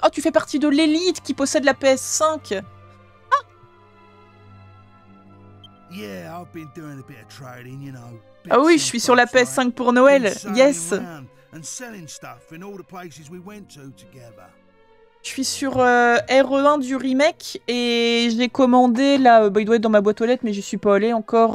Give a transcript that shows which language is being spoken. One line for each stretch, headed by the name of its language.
French: Oh, tu fais partie de l'élite qui possède la PS5!
English: Yeah, I've been doing a bit of trading, you know.
French: Ah oui, je suis sur la PS5 pour Noël.
English: Yes. And selling stuff in all the places we went to together.
French: Je suis sur RE1 du remake et j'ai commandé là, bah, il doit être dans ma boîte aux lettres, mais je suis pas allé encore.